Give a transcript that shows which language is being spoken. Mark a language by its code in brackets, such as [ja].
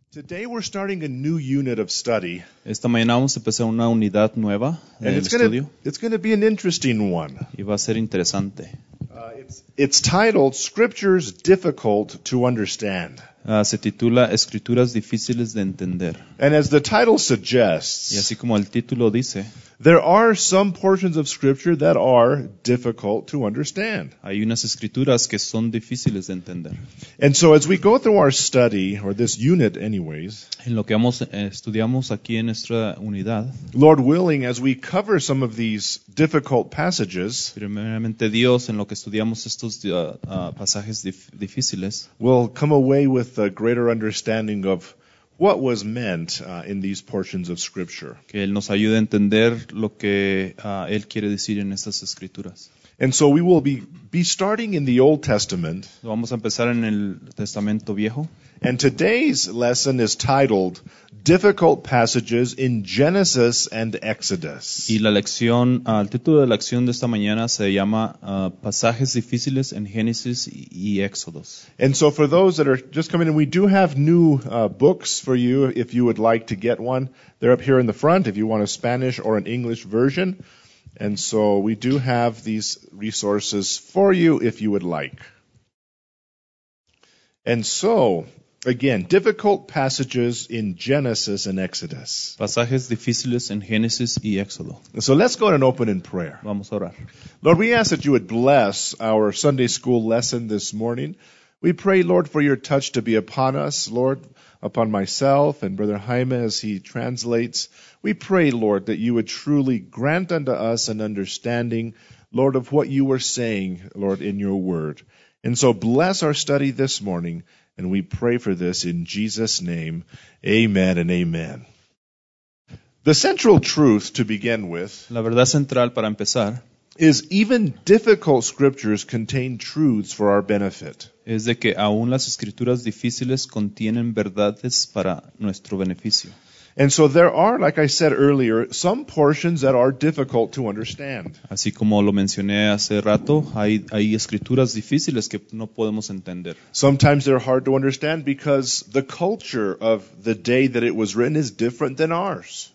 [en] Today we're starting a new unit of study. [es] Esta mañana vamos a empezar una unidad nueva en el estudio. [en] It's going to be an interesting one. [es] Y va a ser interesante. [en] It's titled "Scriptures Difficult to Understand." [es] Se titula "Escrituras difíciles de entender." [en] And as the title suggests, [es] y así como el título dice, [en] there are some portions of Scripture that are difficult to understand. [es] Hay unas escrituras que son difíciles de entender. [en] And so, as we go through our study or this unit, anyways, [es] en lo que vamos, estudiamos aquí en nuestra unidad, [en] Lord willing, as we cover some of these difficult passages, [es] primeramente Dios, en lo que estudiamos estos pasajes difíciles, [en] we'll come away with a greater understanding of what was meant in these portions of Scripture. [es] Que él nos ayude a entender lo que él quiere decir en estas escrituras. [en] And so we will be starting in the Old Testament. [es] Vamos a empezar en el Testamento Viejo. [en] And today's lesson is titled "Difficult Passages in Genesis and Exodus." [es] Y la lección, el título de la lección de esta mañana se llama "Pasajes difíciles en Génesis y Éxodos." [en] And so, for those that are just coming in, we do have new books for you if you would like to get one. They're up here in the front if you want a Spanish or an English version. And so we do have these resources for you if you would like. And so, again, difficult passages in Genesis and Exodus. [es] Pasajes difíciles en Génesis y Éxodo. [en] So let's go ahead and open in prayer. [es] Vamos a orar. [en] Lord, we ask that you would bless our Sunday school lesson this morning. We pray, Lord, for your touch to be upon us, Lord, upon myself and Brother Jaime as he translates. We pray, Lord, that you would truly grant unto us an understanding, Lord, of what you were saying, Lord, in your word. And so bless our study this morning, and we pray for this in Jesus' name. Amen and amen. The central truth to begin with, [es] la verdad central para empezar, [en] is even difficult scriptures contain truths for our benefit. [es] Es de que aún las escrituras difíciles contienen verdades para nuestro beneficio. [en] And so there are, like I said earlier, some portions that are difficult to understand. [es] Así como lo mencioné hace rato, hay escrituras difíciles que no podemos entender. [en] Sometimes they're hard to understand because the culture of the day that it was written is different than ours.